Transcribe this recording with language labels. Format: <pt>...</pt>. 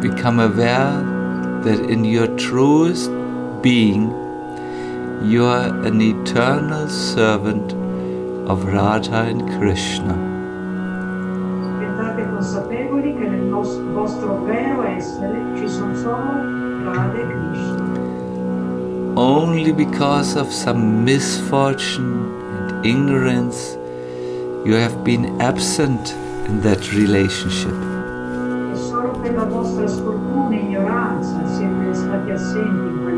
<en>Become aware that in your truest being, you are an eternal servant of Radha and Krishna.</en> <it>Diventate consapevoli che nel vostro vero essere ci sono solo Radha e Krishna.</it> <en>Only because of some misfortune and ignorance you have been absent in that relationship.</en> <it>E solo per la vostra sfortuna e ignoranza siete stati assenti.</it>